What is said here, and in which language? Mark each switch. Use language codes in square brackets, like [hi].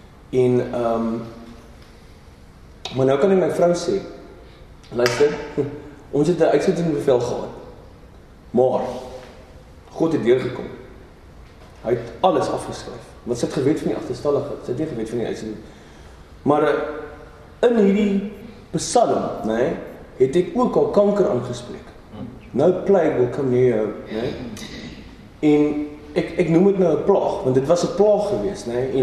[af] En maar nou kan ek my vrou sê, luister, ons het 'n uitsettingsbevel gehad. Maar God het deurgekom. Hy het alles afgeskryf. Wat sit gewet van die agterstallige? Sit nie gewet van die uitsetting. Maar in hierdie psalm, nê, nee, het ek ook al kanker aangespreek. [en] No plague will come near you, nê? Nee? [af] En ek noem dit nou 'n plaag, want dit was 'n plaag gewees, nê, nee?